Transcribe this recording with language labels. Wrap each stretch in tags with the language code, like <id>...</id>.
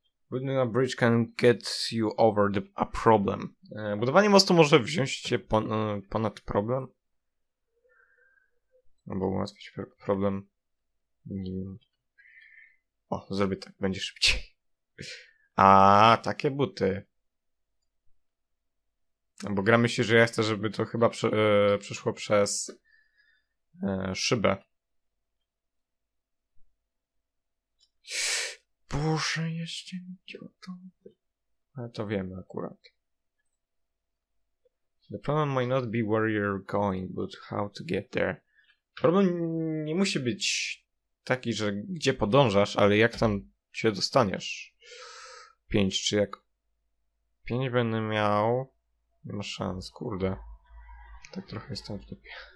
<en>Building a bridge can get you over a problem.</en> <pl>Budowanie mostu może wziąć cię ponad problem. Albo ułatwić problem. Nie wiem. O, zrobię tak. Będzie szybciej. A takie buty. Bo gra myśli, że ja chcę, żeby to chyba przeszło przez szybę. Boże, jeszcze mi cię o to... Ale to wiemy akurat.</pl> <en>The problem might not be where you're going, but how to get there.</en> <pl>Problem nie musi być taki, że gdzie podążasz, ale jak tam się dostaniesz. 5, czy jak 5 będę miał, nie ma szans, kurde. Tak trochę jestem w dupie.</pl>